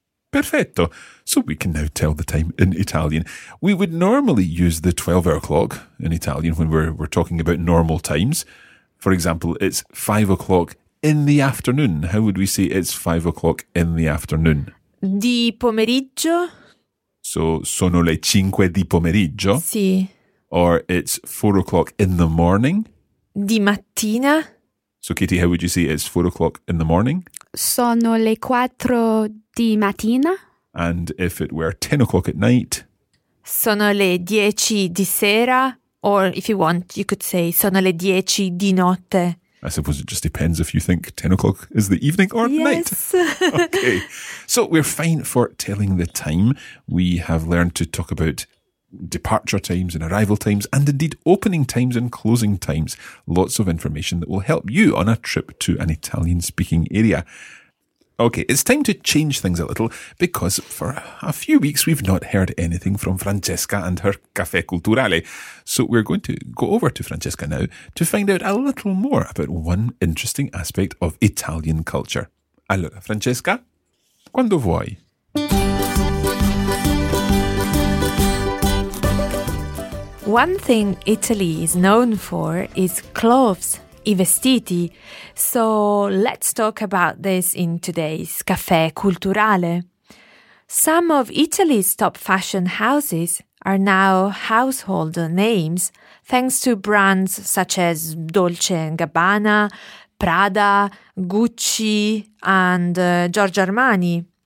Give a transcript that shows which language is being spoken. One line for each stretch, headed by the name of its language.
Italian: Perfetto.
English: So we can now tell the time in Italian. We would normally use the 12-hour clock in Italian when we're talking about normal times. For example, it's 5 o'clock in the afternoon. How would we say it's 5 o'clock in the afternoon?
Italian: Di pomeriggio. So sono le cinque di pomeriggio. Sì.
English: Or it's 4 o'clock in the morning.
Italian: Di mattina.
English: So Katie, how would you say it's 4 o'clock in the morning?
Italian: Sono le quattro di mattina.
English: And if it were 10 o'clock at night?
Italian: Sono le 10 di sera.
English: Or if you want, you could say sono le 10 di notte. I suppose it just depends if you think 10 o'clock is the evening or yes. night. Okay, so we're fine for telling the time. We have learned to talk about departure times and arrival times and indeed opening times and closing times. Lots of information that will help you on a trip to an Italian-speaking area. Okay, it's time to change things a little because for a few weeks we've not heard anything from Francesca and her Caffè Culturale. So we're going to go over to Francesca now to find out a little more about one interesting aspect of Italian culture.
Italian: Allora, Francesca, quando vuoi?
English: One thing Italy is known for is clothes. I vestiti. So let's talk about this in today's Caffè Culturale. Some of Italy's top fashion houses are now household names thanks to brands such as Dolce & Gabbana, Prada, Gucci and Giorgio Armani.